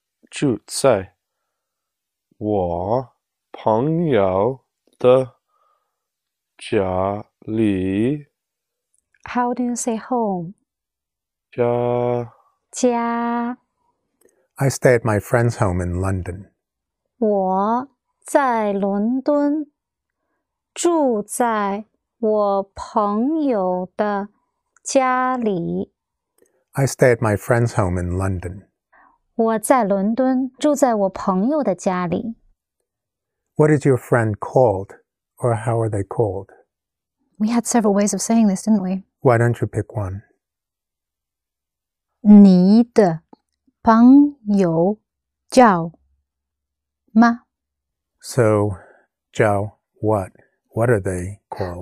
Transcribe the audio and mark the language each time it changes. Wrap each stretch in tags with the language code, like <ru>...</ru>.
<zh>住在我朋友的家里。</zh> <en>How do you say home?</en> <zh>家。家。</zh> <en>I stay at my friend's home in London.</en> <zh>我在伦敦住在我朋友的家里。</zh> <en>I stay at my friend's home in London.</en> <zh>我在伦敦住在我朋友的家里。</zh> <en>What is your friend called, or how are they called? We had several ways of saying this, didn't we? Why don't you pick one?</en> <zh>你的朋友叫吗?</zh> <en>So, 叫 what? What are they called?</en>